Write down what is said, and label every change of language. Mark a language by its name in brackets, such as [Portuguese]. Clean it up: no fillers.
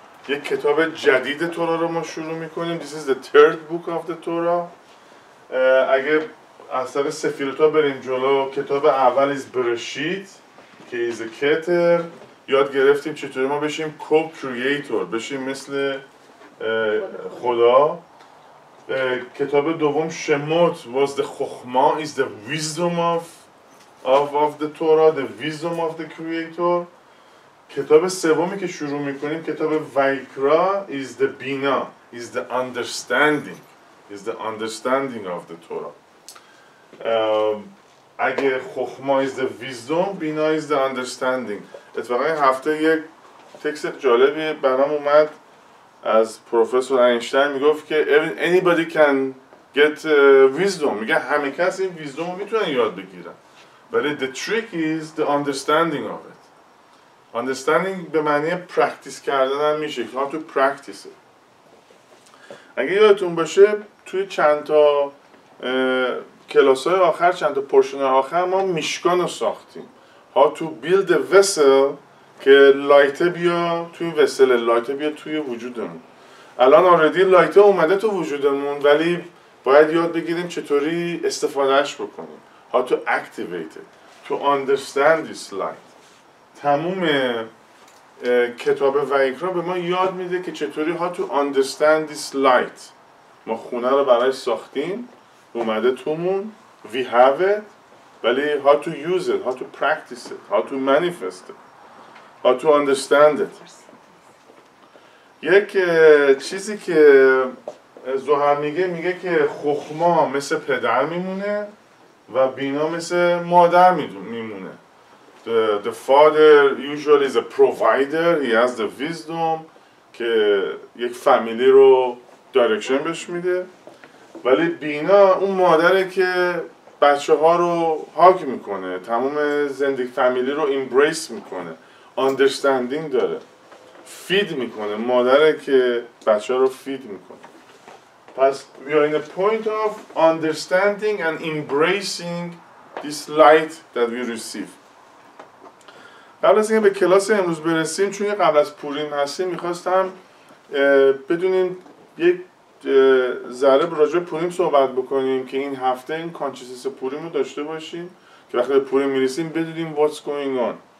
[Persian] یک کتاب جدید تورا رو ما شروع میکنیم. [English] This is the third book of the Torah. [Persian] اگه از طرف سفیلتا بریم جلو، کتاب اول is برشید که [English] is a keter. [Persian] یاد گرفتیم چطوری ما بشیم co-creator، بشیم مثل خدا. کتاب دوم [English] شموت was the chokhma is the wisdom of the Torah, the wisdom of the creator. [Persian] کتاب سومی که شروع میکنیم کتاب ویکرا [English] is the bina, is the understanding, is the understanding of the Torah. اگه خخما is the wisdom, bina is the understanding. [Persian] اتفاقا این هفته یک تکس جالبی برام اومد از پروفسور اینشتین، میگفت که [English] anybody can get wisdom. [Persian] میگه همه کس این wisdom رو میتونن یاد بگیرن. [English] But the trick is the understanding of it. Understanding [Persian] به معنی [English] practice [Persian] کردن هم میشه. [English] You have to practice it. [Persian] اگه یادتون باشه توی چند تا کلاس‌های آخر، چند تا پورشن آخر ما میشکان رو ساختیم. [English] How to build a vessel [Persian] که لایت بیا توی وسل، لایت بیا توی وجودمون. الان آردی لایت اومده تو وجودمون، ولی باید یاد بگیریم چطوری استفادهش بکنیم. [English] How to activate it, to understand this light. [Persian] تموم کتاب ویکرا به ما یاد میده که چطوری [English] how to understand this light. [Persian] ما خونه رو برای ساختیم، اومده تومون، [English] we have it. ولی how to use it, how to practice it, how to manifest it, how to understand it. [Persian] یک چیزی که زهر میگه که خخما مثل پدر میمونه و بینا مثل مادر میمونه. [English] The father usually is a provider. He has the wisdom [Persian] که یک فامیلی رو دایرکشن بهش میده. ولی بینا اون مادره که بچه ها رو هاک میکنه. تمام زندگی فامیلی رو امبریس میکنه. Understanding داره. Feed میکنه. مادره که بچه ها رو feed میکنه. [English] پس we are in a point of understanding and embracing this light that we receive. [Persian] قبل از اینکه به کلاس امروز برسیم، چون قبل از پوریم هستیم، میخواستم بدونیم یک ذره راجع به پوریم صحبت بکنیم که این هفته این کانشسنس پوریم رو داشته باشیم که وقتی به پوریم میرسیم بدونیم [English] what's going on.